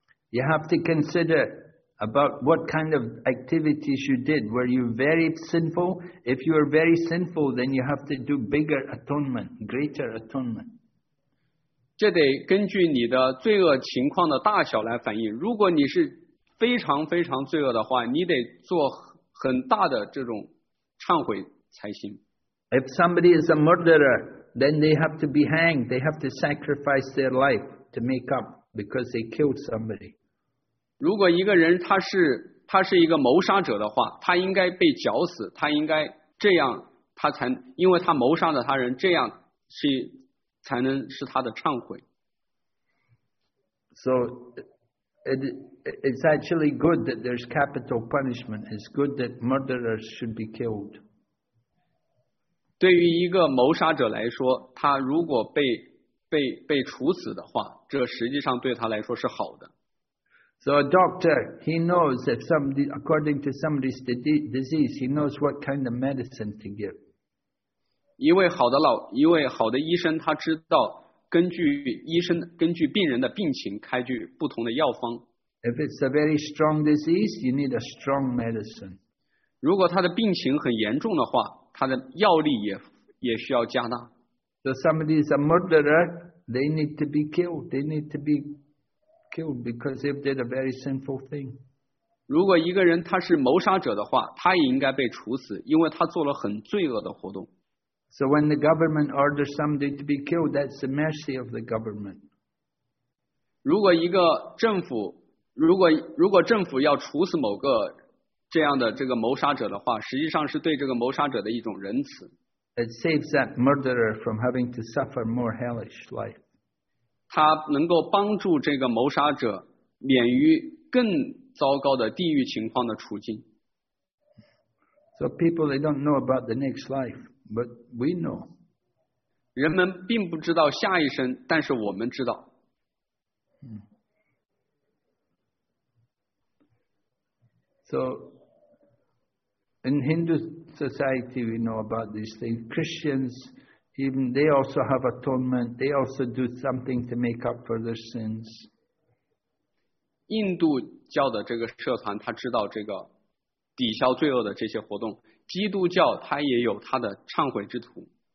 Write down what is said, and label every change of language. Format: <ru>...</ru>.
<en>You have to consider about what kind of activities you did. Were you very sinful? If you are very sinful, then you have to do bigger atonement, greater atonement.</en> <zh>这得根据你的罪恶情况的大小来反映。如果你是非常非常罪恶的话，你得做很大的这种忏悔才行。</zh> <en>If somebody is a murderer, then they have to be hanged. They have to sacrifice their life to make up because they killed somebody.</en> <zh>如果一个人他是一个谋杀者的话，他应该被绞死，他应该这样，他才因为他谋杀了他人，这样是才能是他的忏悔。</zh> <en>So it's actually good that there's capital punishment. It's good that murderers should be killed.</en> <zh>对于一个谋杀者来说，他如果被处死的话，这实际上对他来说是好的。</zh> <en>So a doctor, he knows if somebody, according to somebody's disease, he knows what kind of medicine to give.</en> <zh>一位好的医生，他知道根据病人的病情开具不同的药方。</zh> <en>If it's a very strong disease, you need a strong medicine.</en> <zh>如果他的病情很严重的话，他的药力 也需要加大。</zh> <en>So somebody is a murderer, they need to be killed. They need to be killed because they've did a very sinful thing.</en> <zh>如果一个人他是谋杀者的话，他也应该被处死，因为他做了很罪恶的活动。</zh> <en>So when the government orders somebody to be killed, that's the mercy of the government.</en> <zh>如果政府要处死某个这样的这个谋杀者的话，实际上是对这个谋杀者的一种仁慈。</zh> <en>It saves that murderer from having to suffer more hellish life.</en> <zh>他能够帮助这个谋杀者免于更糟糕的地狱情况的处境。</zh> <en>So people, they don't know about the next life, but we know.</en> <zh>人们并不知道下一生，但是我们知道。</zh> <en>So. In Hindu society, we know about these things. Christians, even they also have atonement. They also do something to make up for their sins.</en> <zh>印度教的这个社团，他知道这个抵消罪恶的这些活动。基督教他也有他的忏悔之徒。</zh>